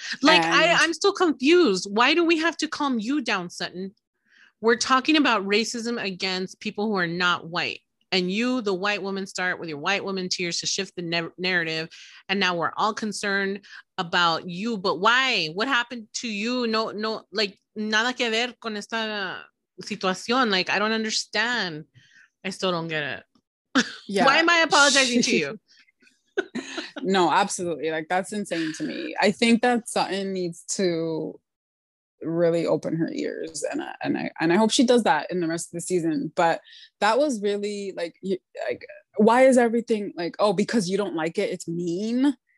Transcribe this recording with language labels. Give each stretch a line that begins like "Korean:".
English: Like, I'm still confused. Why do we have to calm you down, Sutton? We're talking about racism against people who are not white, and you, the white woman, start with your white woman tears to shift the narrative, and now we're all concerned about you. But why? What happened to you?
Spanish: No, like, nada que ver con esta situación.
English: Like, I don't understand. I still don't get it. Yeah. Why am I apologizing to you? No, absolutely. Like, that's insane to me. I think that Sutton needs to really open her ears, and I hope she does that in the rest of the season. But that was really like why is everything like, oh, because you don't like it, it's mean?